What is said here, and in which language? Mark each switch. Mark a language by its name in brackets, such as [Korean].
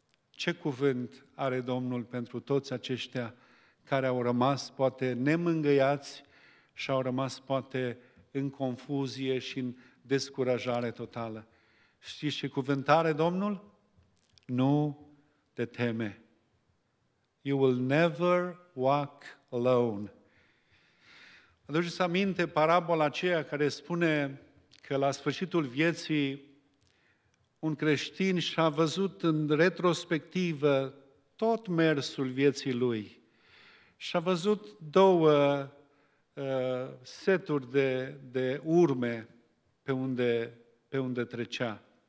[Romanian] Ce cuvânt are Domnul pentru toți aceștia care au rămas poate nemângăiați și au rămas poate în confuzie și în descurajare totală? Știți ce cuvânt are Domnul? Nu te teme. [English] You will never walk alone. [Romanian] Aduceți aminte parabola aceea care spune că la sfârșitul vieții un creștin și-a văzut în retrospectivă tot mersul vieții lui și a văzut două seturi de urme pe unde trecea.